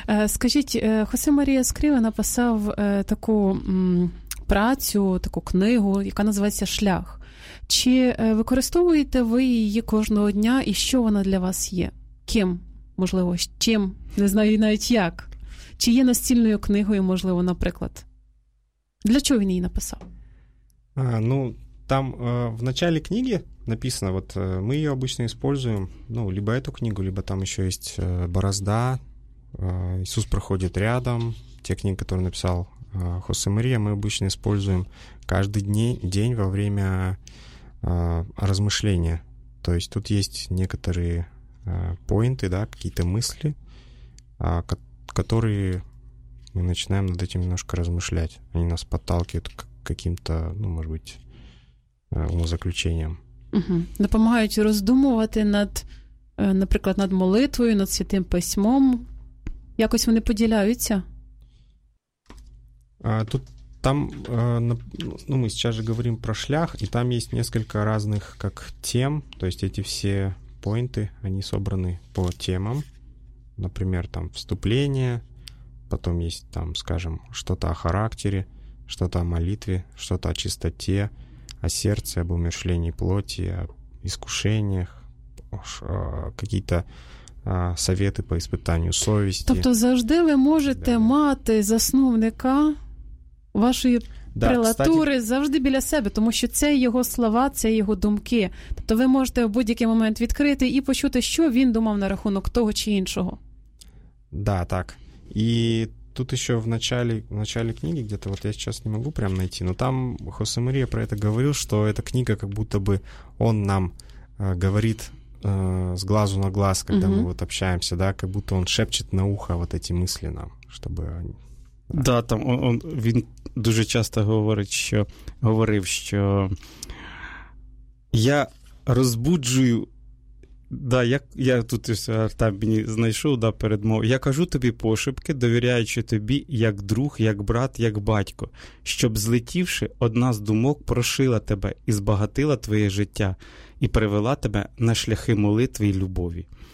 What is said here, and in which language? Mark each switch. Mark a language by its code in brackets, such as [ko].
[uk] Скажіть, Хосе Марія Скрива написав таку працю, таку книгу, яка називається «Шлях». Чи використовуєте ви її кожного дня, і що вона для вас є? Ким? Можливо, чим? Не знаю навіть як. Чи є настільною книгою, можливо, наприклад? Для чого він її написав? [ru] Там в начале книги написано, вот мы ее обычно используем, ну, либо эту книгу, либо там еще есть «Борозда», «Иисус проходит рядом», те книги, которые написал Хосе Мария, мы обычно используем каждый день во время размышления. То есть тут есть некоторые поинты, да, какие-то мысли, которые мы начинаем над этим немножко размышлять. Они нас подталкивают к каким-то, ну, может быть, умозаключенням. Угу. [uk] Допомагають роздумувати над, наприклад, над молитвою, над Святим Письмом. Якось вони поділяються? Тут, там, ну, ми зараз говоримо про шлях, і там є кілька різних як тем, [ru] то есть эти все поинты, они собраны по темам. Например, там вступление, потом есть там, скажем, что-то о характере, что-то о молитве, что-то о чистоте, о сердце, об умерщвлении плоти, о искушениях, какие-то советы по испытанию совести. [uk] Тобто завжди ви можете мати засновника вашої прелатури, кстати... завжди біля себе, тому що це його слова, це його думки. Тобто ви можете в будь-який момент відкрити і почути, що він думав на рахунок того чи іншого. Да, так. [ru] І тут еще в начале книги, где-то вот я сейчас не могу прям найти, но там Хосе Мария про это говорил, что эта книга как будто бы он нам говорит с глазу на глаз, когда мы вот общаемся, да, как будто он шепчет на ухо вот эти мысли нам, чтобы... [uk] Да, там он дуже часто говорив, що я розбуджую... Да, я тут там мені знайшов, да, передмову. Я кажу тобі пошепки, довіряючи тобі, як друг, як брат, як батько, щоб, злетівши, одна з думок прошила тебе і збагатила твоє життя і привела тебе на шляхи молитви і любові.